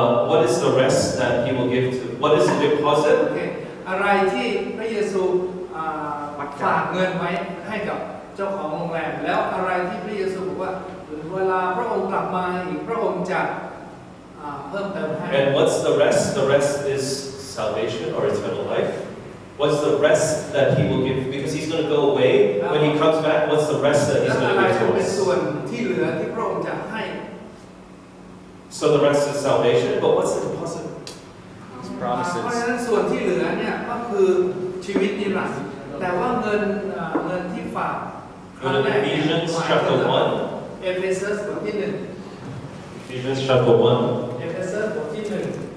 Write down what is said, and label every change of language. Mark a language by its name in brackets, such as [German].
[English] What is the rest that he will give to? What is the deposit? [Thai] Okay. อะไรที่พระเยซูฝากเงินไว้ให้กับเจ้าของโรงแรมแล้วอะไรที่พระเยซูบอกว่าเวลาพระองค์กลับมาอีกพระองค์จะเพิ่มเติมให้ [English] And what's the rest? The rest is salvation or eternal life. What's the rest that he will give? Because he's going to go away. When he comes back, what's the rest that he's going to give to us? [Thai] เป็นส่วนที่เหลือที่พระองค์จะให้ [English] So the rest is salvation, but what's the deposit? His promises. [Thai] เพราะฉะนั้นส่วนที่เหลือเนี่ยก็คือชีวิตนิรันดร์แต่ว่าเงินที่ฝาก ครั้งแรกเนี่ย [English] Ephesians chapter 1. [Thai] Ephesians บทที่หนึ่ง [English] Ephesians chapter 1. [Thai] Ephesians บทที่หนึ่ง